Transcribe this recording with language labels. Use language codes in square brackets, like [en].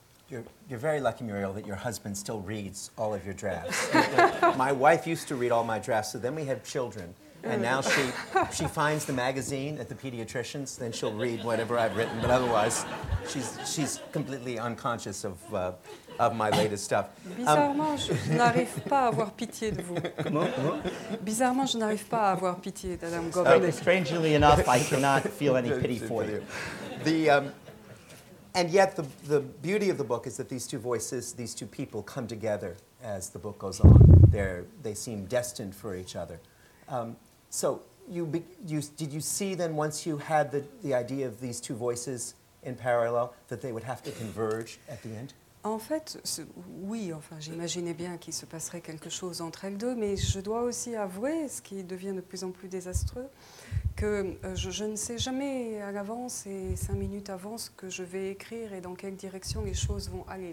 [en] You're very lucky, Muriel, that your husband still reads all of your drafts. My wife used to read all my drafts, so then we had children. And now she finds the magazine at the pediatrician's, then she'll read whatever I've written. But otherwise, she's completely unconscious of my latest stuff. [fr] Bizarrement, je n'arrive pas à avoir pitié de vous. Bizarrement, je n'arrive pas à avoir pitié d'Adam Gopnik. [en] Strangely enough, I cannot feel any pity for you. And yet, the beauty of the book is that these two voices, these two people, come together as the book goes on. They seem destined for each other. So did you see then, once you had the idea of these two voices in parallel, that they would have to converge at the end? [fr] En fait, oui, enfin, j'imaginais bien qu'il se passerait quelque chose entre elles deux, mais je dois aussi avouer, ce qui devient de plus en plus désastreux, que je ne sais jamais à l'avance et cinq minutes avant ce que je vais écrire et dans quelle direction les choses vont aller.